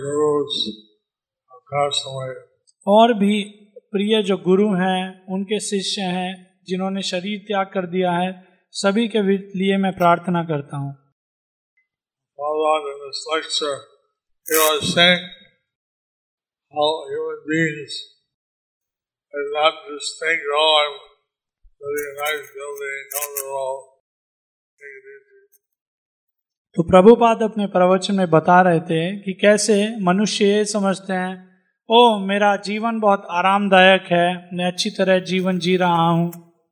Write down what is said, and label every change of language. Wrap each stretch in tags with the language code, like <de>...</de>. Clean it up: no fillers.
<hi>और भी प्रिय जो गुरु हैं उनके शिष्य हैं जिन्होंने शरीर त्याग कर दिया है, सभी के लिए मैं प्रार्थना करता हूँ.</hi> <en>Prabhupada, in this lecture, he was saying how human beings did not just think, oh, I'm building a nice building, on the wall, take it easy.</en> <hi>तो प्रभुपाद अपने प्रवचन में बता रहे थे कि कैसे मनुष्य ये समझते हैं, ओ मेरा जीवन बहुत आरामदायक है, मैं अच्छी तरह जीवन जी रहा हूँ.</hi>